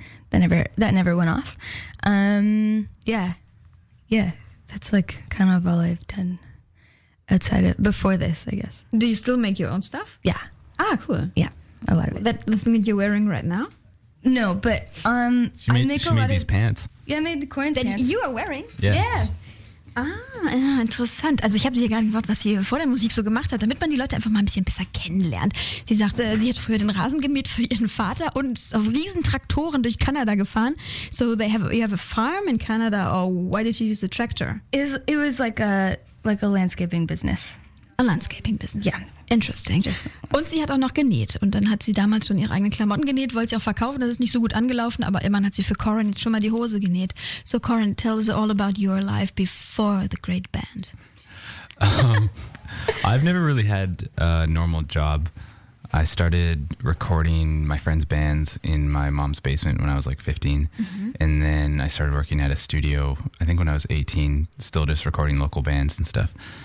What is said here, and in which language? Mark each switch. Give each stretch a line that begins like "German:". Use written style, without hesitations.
English: That never went off. Yeah. That's like kind of all I've done outside of before this, I guess. Do you still make your own stuff? Yeah. Ah, cool. Yeah, a lot of it. That the thing that you're wearing right now? No, but I made a lot of these pants. Yeah, I made the corn that pants. You are wearing. Yes. Yeah.
German: Ah, interessant. Also ich habe sie ja gerade gefragt, was sie vor der Musik so gemacht hat, damit man die Leute einfach mal ein bisschen besser kennenlernt. Sie sagte, sie hat früher den Rasen gemäht für ihren Vater und ist auf riesen Traktoren durch Kanada gefahren.
English: So you have a farm in Canada, or why did you use the tractor? It was like a landscaping business. A landscaping business. Yeah.
German: Interesting. Und sie hat auch noch genäht. Und dann hat sie damals schon ihre eigenen Klamotten genäht, wollte sie auch verkaufen. Das ist nicht so gut angelaufen, aber immerhin hat sie für Corinne jetzt schon mal die Hose genäht.
English: So Corinne, tell us all about your life before the great band. I've never really had a normal job. I started recording my friends' bands in my mom's basement when I was like 15. Mm-hmm. And then I started working at a studio, I think when I was 18, still just recording local bands and stuff.